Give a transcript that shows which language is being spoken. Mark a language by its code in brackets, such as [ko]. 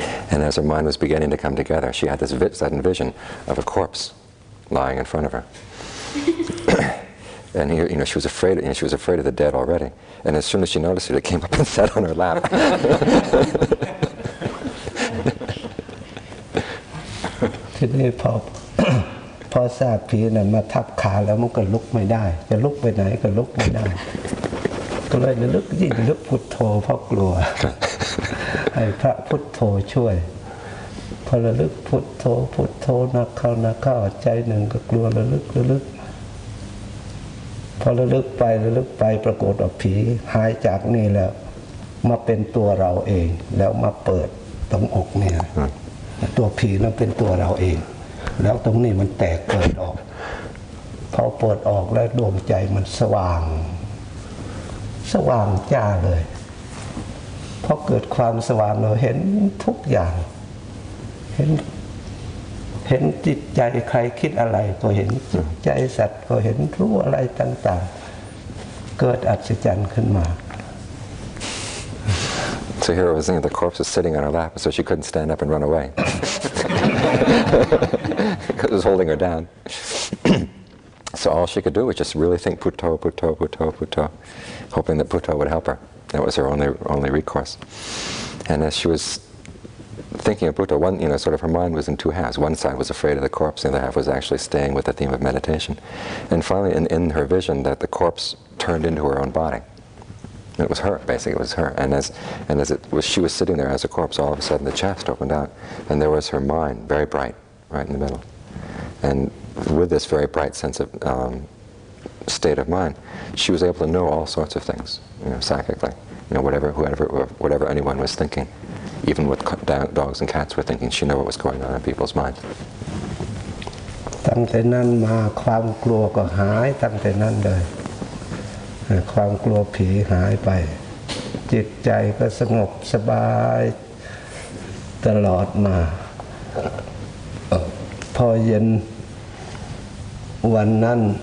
[en] And as her mind was beginning to come together, she had this sudden vision of a corpse lying in front of her. And you know, she was afraid. You know, she was afraid of the dead already. And as soon as she noticed it, it came up and sat on her lap. [th] Today, พอทราบผีนั้นมาทับขาแล้วมันก็ลุกไม่ได้จะลุกไปไหนก็ลุกไม่ได้ก็เลยลุกยิ่งลุกพุทโธเพราะกลัวให้พระพุทโธช่วยพอระลึกพุทโธพุทโธนักเข้าใจหนึ่งก็กลัวระลึก พอระลึกไปปรากฏว่าผีหายจากนี่แล้วมาเป็นตัวเราเองแล้วมาเปิดตรงอกนี่ตัวผีนั้นเป็นตัวเราเองแล้วตรงนี้มันแตกเปิดออกพอเปิดออกแล้วดวงใจมันสว่า งจ้าเลยพอเกิดความสว่างเราเห็นทุกอย่างเห็นจิตใจใครคิดอะไรก็เห็นจิตใจสัตว์ก็เห็นรู้อะไรต่างๆเกิดอัศจรรย์ขึ้นมา [en] So here was the corpse was sitting on her lap so she couldn't stand up and run away because it was holding her down So all she could do was just really think putto putto putto putto hoping that putto would help her that was her only recourse and as she wasThinking of Buddha, one, you know, sort of her mind was in two halves. One side was afraid of the corpse, the other half was actually staying with the theme of meditation. And finally, in her vision, that the corpse turned into her own body. It was her, basically, it was her. And as it was, she was sitting there as a corpse, all of a sudden the chest opened out, and there was her mind, very bright, right in the middle. And with this very bright sense of state of mind, she was able to know all sorts of things, you know, psychically, you know, whatever anyone was thinking. Even what dogs and cats were thinking, she knew what was going on in people's minds. [th] ตั้งแต่นั้นมาความกลัวก็หายตั้งแต่นั้นเลย ความกลัวผีหายไปจิตใจก็สงบสบายตลอดมาพอเย็นวันนั้น